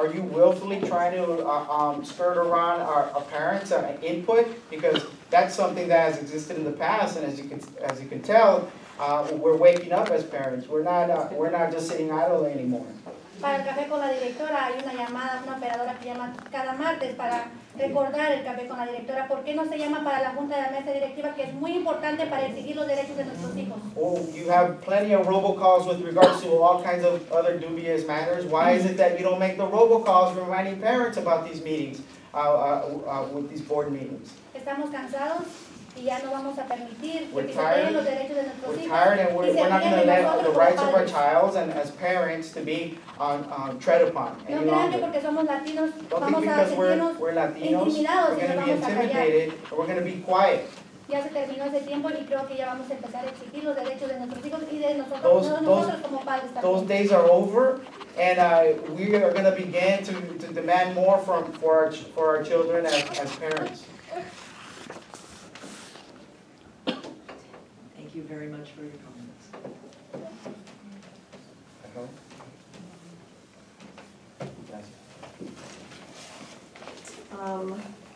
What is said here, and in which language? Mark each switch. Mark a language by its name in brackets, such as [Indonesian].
[English] Are you willfully trying to skirt around our parents' input? Because that's something that has existed in the past, and as you can tell, we're waking up as parents. We're not just sitting idle anymore. [Spanish] Para el café con la directora hay una llamada, una operadora que llama cada martes para recordar el café con la directora. ¿Por qué no se llama para la junta de la mesa directiva que es muy importante para exigir los derechos de nuestros hijos? [English] Oh, you have plenty of robocalls with regards to all kinds of other dubious matters. Why is it that you don't make the robocalls reminding parents about these meetings, with these board meetings? [Spanish] Estamos cansados. Y ya no vamos a permitir que se violen los derechos de nuestros hijos. [English] We're tired and we're not going to let the rights of our child and as parents to be tread upon. [Spanish] No crean que porque somos latinos vamos a sentirnos intimidados y vamos a callar. Ya se terminó ese tiempo y creo que ya vamos a empezar a exigir los derechos de nuestros hijos y de nosotros como padres también. [English] Those days are over. And we are going to begin to demand more for our children as parents. Thank you very much for your comments.